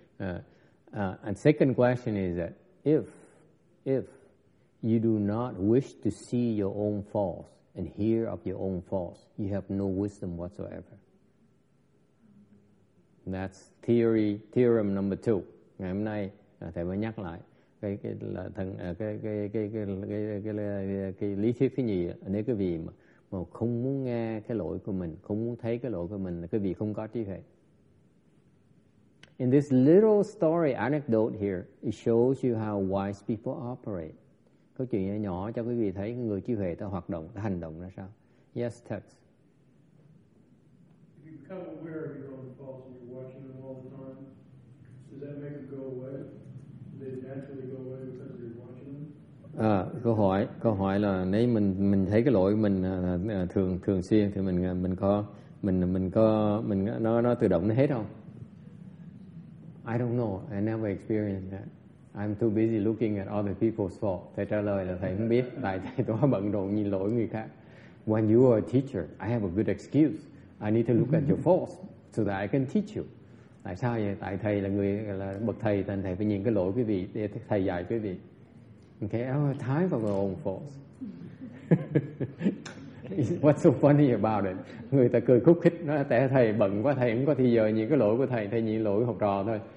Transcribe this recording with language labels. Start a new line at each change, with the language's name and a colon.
English: And second question is that if you do not wish to see your own faults and hear of your own faults, you have no wisdom whatsoever. That's theorem number two.
Vietnamese: Ngày hôm nay thầy mới nhắc lại cái lý thuyết thứ nhì. Nếu cái vị mà không muốn nghe cái lỗi của mình, không muốn thấy cái lỗi của mình, cái vị không có trí huệ.
English: In this little story anecdote here, it shows you how wise people operate.
Vietnamese: Câu chuyện nhỏ cho quý vị thấy người trí huệ ta hoạt động, ta hành động ra sao.
English: Yes, Tex. If you become aware of your own faults and you're watching them all the time, does that make them go away? Do they naturally go away because you're watching them?
Vietnamese: Câu hỏi là nếu mình thấy cái lỗi mình thường xuyên thì mình có nó tự động nó hết không?
English: I don't know. I never experienced that. I'm too busy looking at other people's fault.
Vietnamese: Thầy trả lời là thầy không biết, tại thầy quá bận rộn nhìn lỗi người khác.
English: When you are a teacher, I have a good excuse. I need to look at your faults so that I can teach you.
Vietnamese: Tại sao vậy? Tại thầy là người là bậc thầy, nên thầy phải nhìn cái lỗi quý vị để thầy dạy quý vị.
English: Okay, I have time for my own faults. What's so funny about it?
Vietnamese: Người ta cười khúc khích, nói tại thầy bận quá, thầy không có thời giờ nhìn cái lỗi của thầy, thầy nhìn lỗi của học trò thôi.